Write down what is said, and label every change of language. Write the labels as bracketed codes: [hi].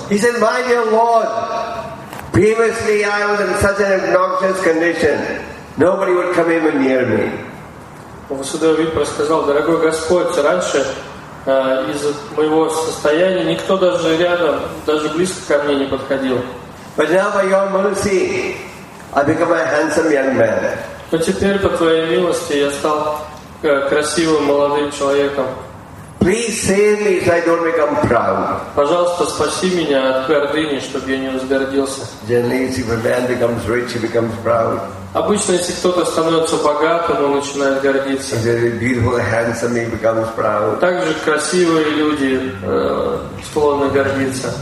[en] He said, "My dear Lord, previously I was in such an obnoxious condition, nobody would come even near me." [ru] Васудева Випра сказал: "Дорогой Господь, раньше из моего состояния никто даже рядом, даже близко ко мне не подходил. [en] But now by your mercy, I become a handsome young man. [ru] Но теперь по твоей милости я стал красивым молодым человеком. [en] Please save me so I don't become proud. [ru] Пожалуйста, спаси меня от гордыни, чтобы я не возгордился. [en] Generally, if a man becomes rich, he becomes proud. [ru] Обычно, если кто-то становится богатым, он начинает гордиться. [en] Very beautiful, handsome, he becomes proud. [ru] Также красивые люди склонны гордиться.